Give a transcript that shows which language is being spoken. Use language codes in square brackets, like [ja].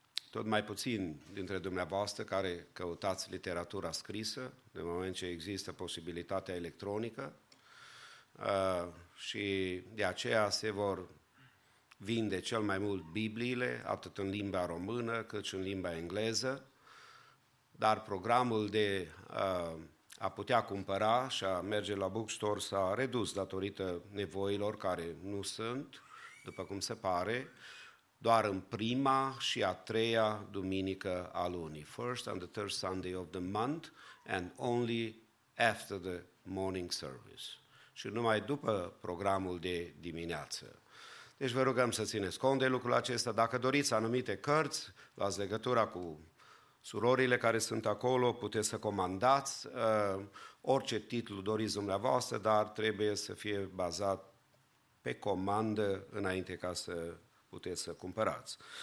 [ro] tot mai puțin dintre dumneavoastră care căutați literatura scrisă, de moment ce există posibilitatea electronică, și de aceea se vor vinde cel mai mult Bibliile, atât în limba română cât și în limba engleză. Dar programul de a putea cumpăra și a merge la bookstore s-a redus datorită nevoilor care nu sunt, după cum se pare, doar în prima și a treia duminică a lunii. [en] First and the third Sunday of the month and only after the morning service. [ro] Și numai după programul de dimineață. Deci vă rugăm să țineți cont de lucrul acesta. Dacă doriți anumite cărți, luați legătura cu surorile care sunt acolo, puteți să comandați orice titlu doriți dumneavoastră, dar trebuie să fie bazat pe comandă înainte ca să puteți să cumpărați.